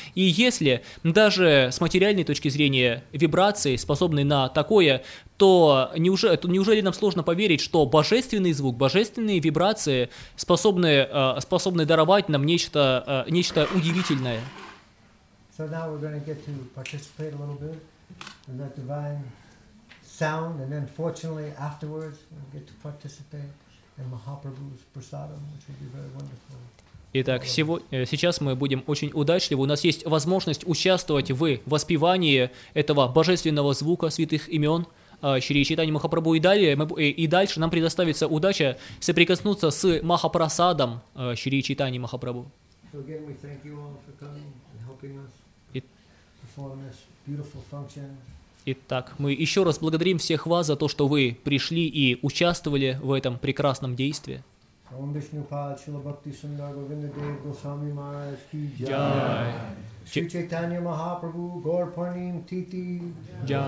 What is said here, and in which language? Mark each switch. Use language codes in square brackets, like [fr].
[ru] И если даже с материальной точки зрения вибрации способны на такое, то неужели нам сложно поверить, что божественный звук, божественные вибрации способны даровать нам нечто удивительное? [en] So now we're going to get to participate a little bit. And that divine sound, and then fortunately afterwards we get to participate in Mahaprabhu's prasadam, which would be very wonderful. [ru] Итак, сейчас мы будем очень удачливы. У нас есть возможность участвовать в воспевании этого божественного звука святых имен Шри Чайтанья Махапрабху, и дальше нам предоставится удача соприкоснуться с Махапрасадом Шри Чайтанья Махапрабху. [en] So again, we thank you all for coming and helping us perform this. [ru] Итак, мы еще раз благодарим всех вас за то, что вы пришли и участвовали в этом прекрасном действии. [sa] Ом Вишну Пад Шрила Бхакти Сундар Говиндадев Госвами Махарадж Ки Джай. Шри Чайтанья Махапрабху Гор Пурним Тити Джай.